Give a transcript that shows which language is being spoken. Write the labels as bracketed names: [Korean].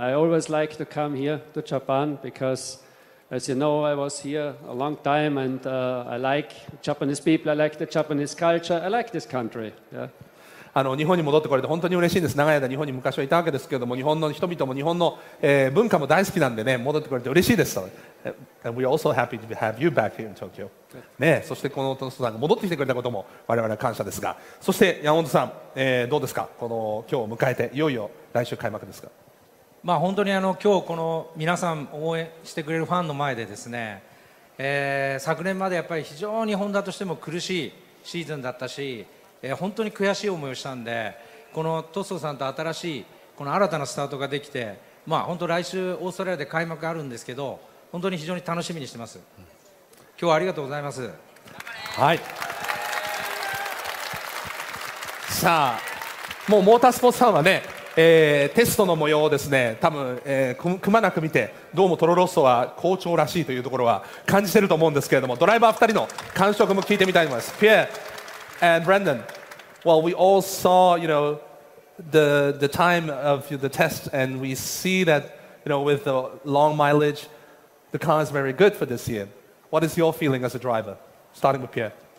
[English] I always like to come here to Japan becauseAs you know, I was here a long time and I like Japanese people, I like the Japanese culture, I like this country. Yeah. [Japanese] 日本に戻ってこれて本当に嬉しいんです。長い間日本に昔はいたわけですけれども、日本の人々も日本の、文化も大好きなんでね、戻ってこれて嬉しいです。 [English] And we're also happy to have you back here in Tokyo. [Japanese] ね、そしてこのトストさんが戻ってきてくれたことも我々は感謝ですが、そして山本さん、どうですか、この今日を迎えていよいよ来週開幕ですが。まあ、本当に今日この皆さん応援してくれるファンの前でですね、昨年までやっぱり非常にホンダとしても苦しいシーズンだったし、本当に悔しい思いをしたんで、このトストさんと新しいこの新たなスタートができて、まあ本当来週オーストラリアで開幕あるんですけど、本当に非常に楽しみにしてます。今日はありがとうございます。はい、さあ、もうモータースポーツさんはね、テストの模様をですね、多分、くまなく見て、どうもトロロッソは好調らしいというところは感じてると思うんですけれども、ドライバー2人の感触も聞いてみたいと思います。 [English] ピエア and Brendan, well, we all saw, you know, the time of the test, and we see that, you know, with the long mileage, the car is very good for this year. What is your feeling as a driver, starting with Pierre?